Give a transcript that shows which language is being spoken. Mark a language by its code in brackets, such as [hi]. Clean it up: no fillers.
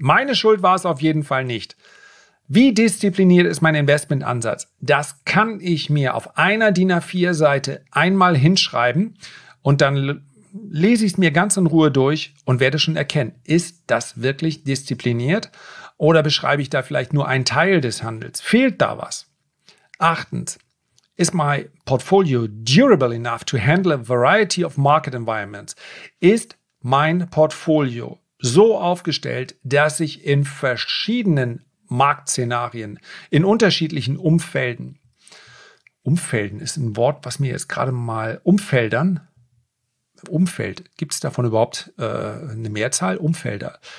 [de] Meine Schuld war es auf jeden Fall nicht. Wie diszipliniert ist mein Investmentansatz? Das kann ich mir auf einer DIN A4-Seite einmal hinschreiben und dann lese ich es mir ganz in Ruhe durch und werde schon erkennen, ist das wirklich diszipliniert oder beschreibe ich da vielleicht nur einen Teil des Handels? Fehlt da was? 8. [en] Is my portfolio durable enough to handle a variety of market environments? [de] Ist mein Portfolio so aufgestellt, dass ich in verschiedenen Marktszenarien, in unterschiedlichen Umfeldern, gibt es davon überhaupt eine Mehrzahl? Umfelder.